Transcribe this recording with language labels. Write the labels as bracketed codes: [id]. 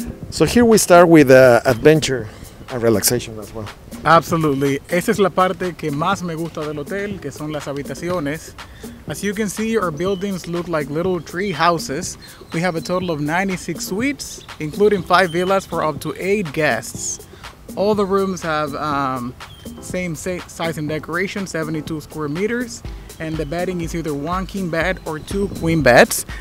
[en] So here we start with adventure and relaxation as well. Absolutely. [es] Esa es la parte que más me gusta del hotel, que son las habitaciones. [en] As you can see, our buildings look like little tree houses. We have a total of 96 suites, including 5 villas for up to 8 guests. All the rooms have same size and decoration, 72 square meters. And the bedding is either one king bed or two queen beds.